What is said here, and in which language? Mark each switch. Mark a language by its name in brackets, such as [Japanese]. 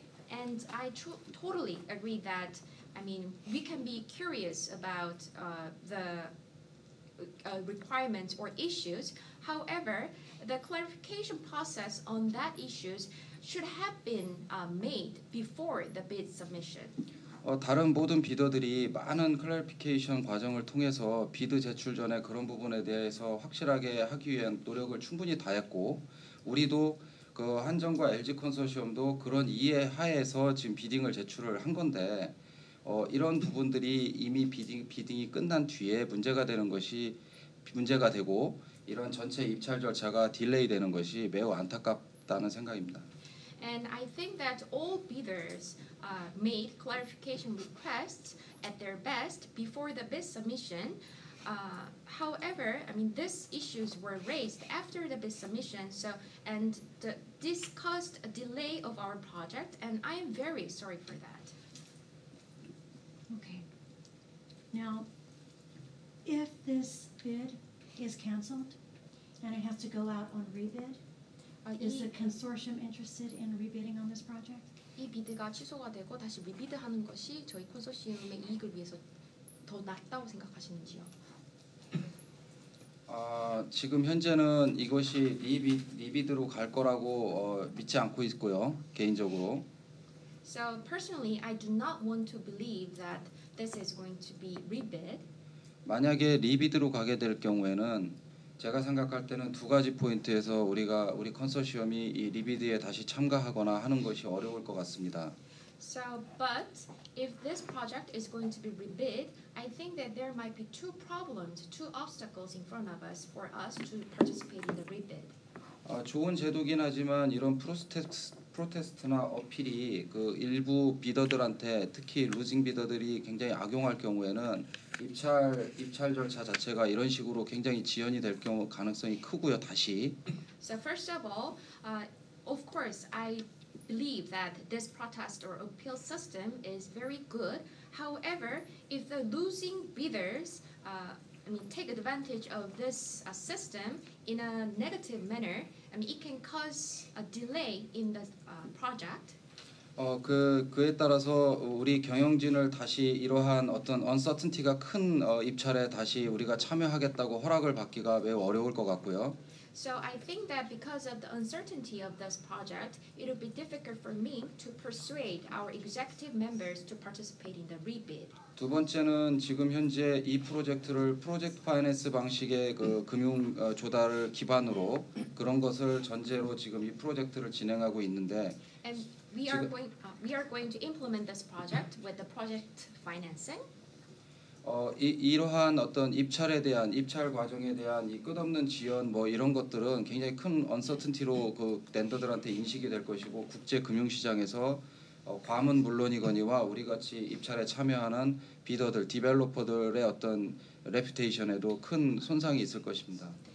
[English] And I totally agree that, I mean, we can be curious about the requirements or issues. However, the clarification process on that issues should have been made before the bid submission. [Korean] 다른 모든 비더들이 많은 클래리피케이션 과정을 통해서 비드 제출 전에 그런 부분에 대해서 확실하게 하기 위한 노력을 충분히 다했고 우리도 그 한정과 LG 컨소시엄도 그런 이해 하에서 지금 비딩을 제출을 한 건데 이런 부분들이 이미 비딩이 끝난 뒤에 문제가 되는 것이 문제가 되고 이런 전체 입찰 절차가 딜레이 되는 것이 매우 안타깝다는 생각입니다. [English] And I think that all bidders made clarification requests at their best before the bid submission. However, I mean, these issues were raised after the bid submission, so and this caused a delay of our project, and I am very sorry for that. Okay. Now, if this bid is canceled and it has to go out on rebid, is the consortium interested in rebidding on this project? [Korean] 이 비드가 취소가 되고 다시 리비드하는 것이 저희 컨소시엄의 이익을 위해서 더 낫다고 생각하시는지요? 지금 현재는 이것이 리비드로 갈 거라고 믿지 않고 있고요, 개인적으로. [English] So personally, I do not want to believe that this is going to be rebid. [Korean] 만약에 리비드로 가게 될 경우에는 제가 생각할 때는 두 가지 포인트에서 우리 컨소시엄이 이 리비드에 다시 참가하거나 하는 것이 어려울 것 같습니다. [English] So, but if this project is going to be rebid, I think that there might be two problems, two obstacles in front of us for us to participate in the rebid. [Korean] 좋은 제도긴 하지만 이런 프로테스트나 어필이 그 일부 비더들한테 특히 루징 비더들이 굉장히 악용할 경우에는 입찰 절차 자체가 이런 식으로 굉장히 지연이 될 경우 가능성이 크고요. 다시. [English] So first of all, of course, I believe that this protest or appeal system is very good. However, if the losing bidders, take advantage of this system in a negative manner, it can cause a delay in the project. [Korean] 그에 따라서 우리 경영진을 다시 이러한 어떤 언서튼티가 큰 입찰에 다시 우리가 참여하겠다고 허락을 받기가 매우 어려울 것 같고요. [English] So I think that because of the uncertainty of this project, it will be difficult for me to persuade our executive members to participate in the rebid. [Korean] 두 번째는 지금 현재 이 프로젝트를 프로젝트 파이낸스 방식의 그 금융 조달을 기반으로 그런 것을 전제로 지금 이 프로젝트를 진행하고 있는데 [English] And we are going to implement this project with the project financing. [Korean] 이러한 어떤 입찰에 대한 입찰 과정에 대한 이 끝없는 지연 뭐 이런 것들은 굉장히 큰 언서튼티로 그 랜더들한테 인식이 될 것이고 국제 금융 시장에서 괌은 물론이거니와 우리 같이 입찰에 참여하는 비더들, 디벨로퍼들의 어떤 레퓨테이션에도 큰 손상이 있을 것입니다.